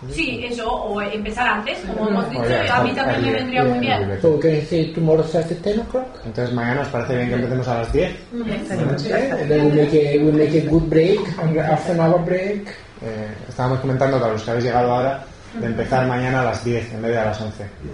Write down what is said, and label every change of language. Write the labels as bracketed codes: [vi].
[es] Sí, eso, o empezar antes, como hemos dicho, a mí también me vendría muy bien. [en] So we can say tomorrow starts at 10 o'clock. [es] Entonces mañana os parece bien que empecemos a las 10. [en] Then we make a good break, and after an hour break. [es] Estábamos comentando que a los que habéis llegado ahora de empezar mañana a las 10 en vez de a las 11.